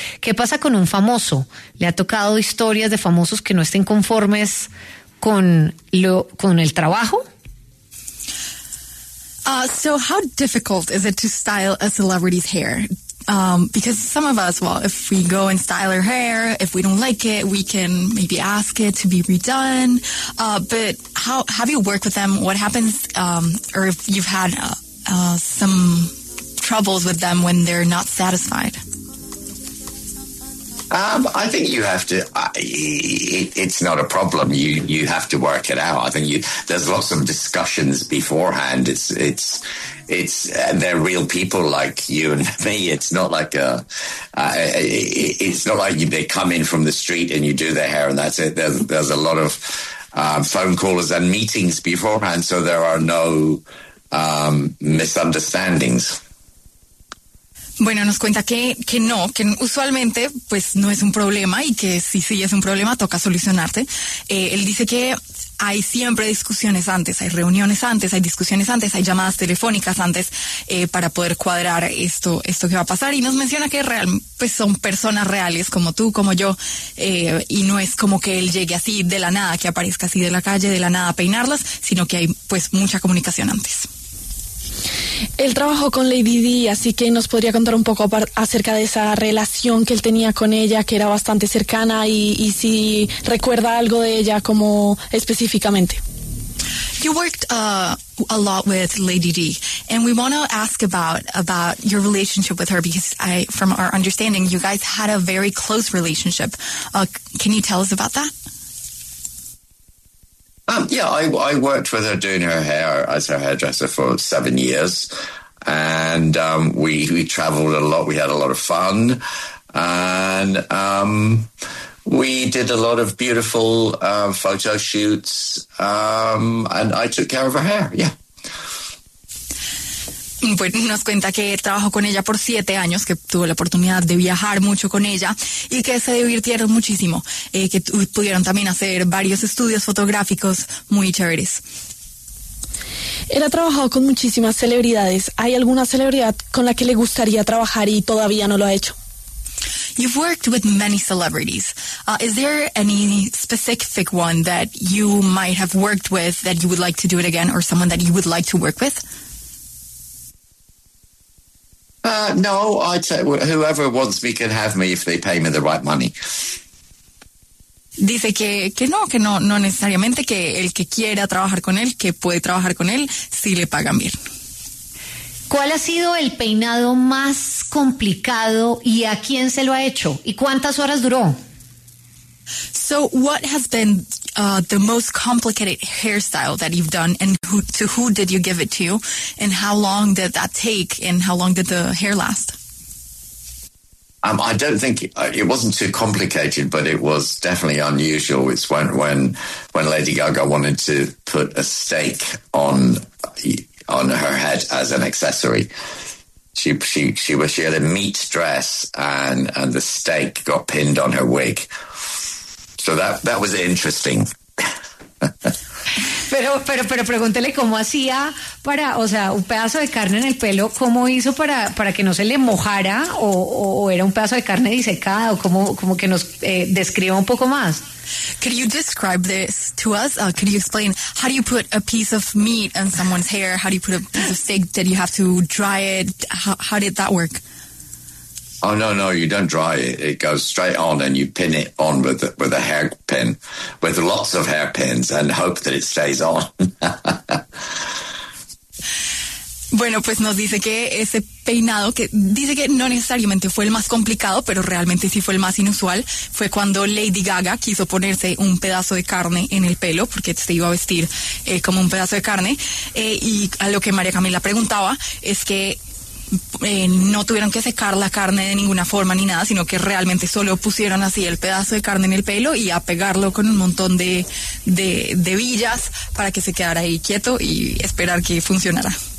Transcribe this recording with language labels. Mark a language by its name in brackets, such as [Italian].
[Spanish] ¿Qué pasa con un famoso? ¿Le ha tocado historias de famosos que no estén conformes con el trabajo? [English] So how difficult is it to style a celebrity's hair? Because some of us, well, if we go and style our hair, if we don't like it, we can maybe ask it to be redone. But how have you worked with them? What happens, or if you've had some troubles with them when they're not satisfied? I think you have to, it's not a problem. You have to work it out. I think there's lots of discussions beforehand. It's they're real people like you and me. It's not like they come in from the street and you do their hair and that's it. There's a lot of phone calls and meetings beforehand, so there are no misunderstandings. [Spanish] Bueno, nos cuenta que usualmente pues no es un problema y que si es un problema toca solucionarte. Él dice que hay siempre discusiones antes, hay reuniones antes, hay discusiones antes, hay llamadas telefónicas antes para poder cuadrar esto que va a pasar. Y nos menciona que son personas reales como tú, como yo, y no es como que él llegue así de la nada, que aparezca así de la calle, de la nada a peinarlas, sino que hay pues mucha comunicación antes. Él trabajó con Lady Di, así que nos podría contar un poco acerca de esa relación que él tenía con ella, que era bastante cercana, y si recuerda algo de ella como específicamente. [English] You worked a lot with Lady Di, and we want to ask about your relationship with her, because from our understanding, you guys had a very close relationship. Can you tell us about that? I worked with her doing her hair as her hairdresser for 7 years, and we traveled a lot. We had a lot of fun, and we did a lot of beautiful photo shoots, and I took care of her hair, yeah. [Spanish] Pues nos cuenta que trabajó con ella por 7 años, que tuvo la oportunidad de viajar mucho con ella y que se divirtieron muchísimo, que pudieron también hacer varios estudios fotográficos muy chéveres. Él ha trabajado con muchísimas celebridades. ¿Hay alguna celebridad con la que le gustaría trabajar y todavía no lo ha hecho? [English] You've worked with many celebrities. Is there any specific one that you might have worked with that you would like to do it again, or someone that you would like to work with? No, I'd say whoever wants me can have me if they pay me the right money. [Spanish] Dice que no necesariamente, que el que quiera trabajar con él, que puede trabajar con él si le pagan bien. ¿Cuál ha sido el peinado más complicado y a quién se lo ha hecho? ¿Y cuántas horas duró? [English] So what has been the most complicated hairstyle that you've done, and who did you give it to, and how long did that take, and how long did the hair last? I don't think it wasn't too complicated, but it was definitely unusual. It's when Lady Gaga wanted to put a stake on her head as an accessory. She was, she had a meat dress and the steak got pinned on her wig. So that was interesting. [Spanish] pero pregúntele cómo hacía para, o sea, un pedazo de carne en el pelo, cómo hizo para que no se le mojara, o era un pedazo de carne disecada, o como que nos describa un poco más. [English] Could you describe this to us? Could you explain how do you put a piece of meat on someone's hair? How do you put a piece of steak? Did you have to dry it? How did that work? Oh, no, you don't dry it. It goes straight on and you pin it on with a hair pin, with lots of hair pins, and hope that it stays on. [Spanish] Bueno, pues nos dice que ese peinado, que dice que no necesariamente fue el más complicado, pero realmente sí fue el más inusual, fue cuando Lady Gaga quiso ponerse un pedazo de carne en el pelo, porque se iba a vestir como un pedazo de carne, y a lo que María Camila preguntaba es que no tuvieron que secar la carne de ninguna forma ni nada, sino que realmente solo pusieron así el pedazo de carne en el pelo y a pegarlo con un montón de villas para que se quedara ahí quieto y esperar que funcionara.